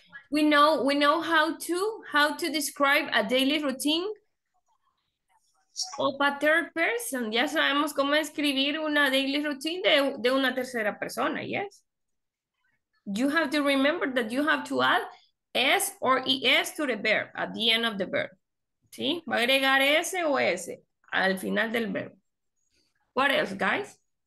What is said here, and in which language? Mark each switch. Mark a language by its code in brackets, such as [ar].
[en] We know how to describe a daily routine of a third person. [es] Ya sabemos cómo escribir una daily routine de una tercera persona, yes. [en] You have to remember that you have to add S or ES to the verb, at the end of the verb. ¿Sí? [es] Va a agregar S o S al final del verbo. [en] What else, guys?